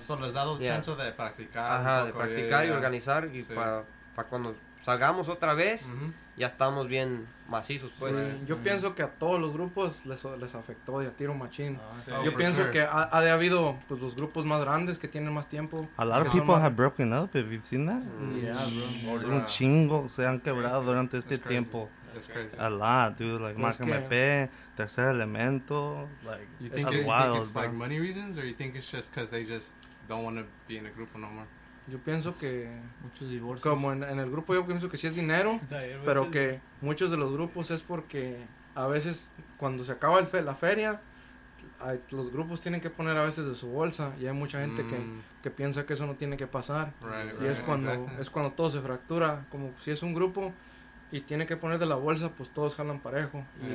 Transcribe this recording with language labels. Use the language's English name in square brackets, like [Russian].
[Spanish] Son les dado el chance de practicar. Ajá, de practicar y organizar. Y para cuando salgamos otra vez, ya estamos bien macizos, pues. Sí. Yo pienso que a todos los grupos les afectó de a tiro machín. Que ha de habido pues los grupos más grandes que tienen más tiempo. [English] A lot of people have broken up, have you seen that? [Spanish] Un chingo se han quebrado durante este tiempo. [English] That's crazy. A lot, dude. Like, Máscara MP, Tercer Elemento. Like, you think it's wild, it's like money reasons, or you think it's just because they just don't want to be in a group no more? [Spanish] Yo pienso que muchos divorcios. Como en el grupo, yo pienso que sí es dinero, pero que muchos de los grupos es porque a veces cuando se acaba la feria, los grupos tienen que poner a veces de su bolsa, y hay mucha gente que piensa que eso no tiene que pasar. Es cuando todo se fractura. Como si es un grupo y tiene que poner de la bolsa, pues todos jalan parejo.